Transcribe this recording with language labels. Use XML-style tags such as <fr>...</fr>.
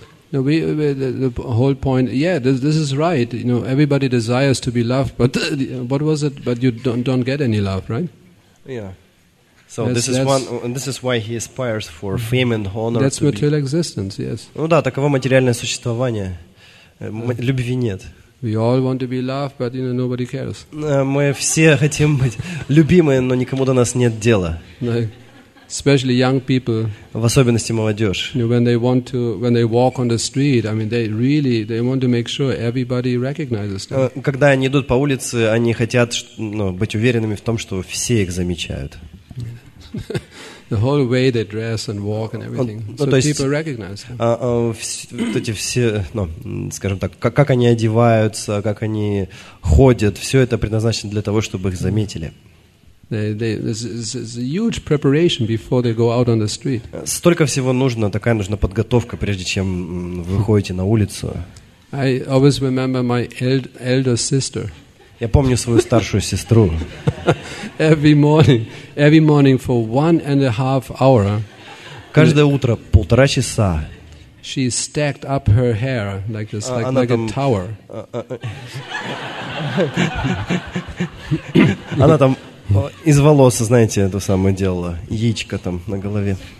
<en>No, the whole point. Yeah, this is right. You know, everybody desires to be loved, but what was it? But you don't get any love, right? Yeah. So this is why he aspires for fame and honor. That's material existence. Yes.</en> <ru>Ну да, таково материальное существование. Любви нет.</ru> <en>We all want to be loved, but you know nobody cares.</en> <ru>Мы все хотим быть любимы, но никому до нас нет дела.</ru> <en>Like, especially young people,</en> <ru>в особенности молодежь,</ru> <en>when they want to, when they walk on the street, I mean, they really, they want to make sure everybody recognizes them.</en> <ru>Когда они идут по улице, они хотят, ну, быть уверенными в том, что все их замечают.</ru> <en>The whole way they dress and walk and everything, so people recognize them.</en> <ru>Как они одеваются, как они ходят, все это предназначено для того, чтобы их заметили.</ru> <en>There's a huge preparation before they go out on the street.</en> <ru>Столько всего нужно, такая нужна подготовка, прежде чем вы выходите на улицу.</ru> <en>I always remember my elder sister.</en> <ru>Я помню свою старшую сестру.</ru> <en>Every morning for 1.5 hours.</en> <ru>Каждое утро полтора часа.</ru> <en>She stacked up her hair like this, like a tower.</en> <ru>Она там из волос, знаете, это самое делала, яичко там на голове.</ru>